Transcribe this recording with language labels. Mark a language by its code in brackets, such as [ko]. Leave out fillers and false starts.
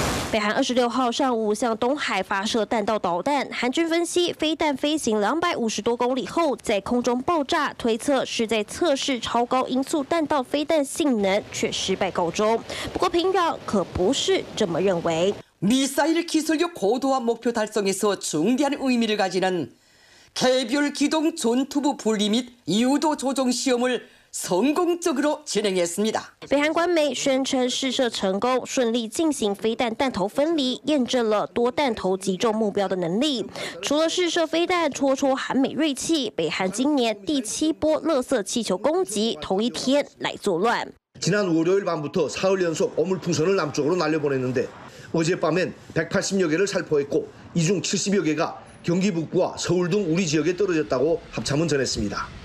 [zh] 北韩26号上午向东海发射弹道导弹，韩军分析飞弹飞行250多公里后在空中爆炸，推测是在测试超高音速弹道飞弹性能，却失败告终。不过平壤可不是这么认为。 [ko] 미사일기술력고도화목표달성에서중대한의미를가지는개별기동전투부분리및이유도조정시험을성공적으로진행했습니다 [zh] 北韩官媒宣称试射成功，顺利进行飞弹弹头分离，验证了多弹头击中目标的能力。除了试射飞弹戳戳韩美锐气，北韩今年第7波垃圾气球攻击同一天来作乱。 [ko] 지난월요일밤부터사흘연속어물풍선을남쪽으로날려보냈는데어젯밤엔180여개를살포했고이중70여개가경기북부와서울등우리지역에떨어졌다고합참은전했습니다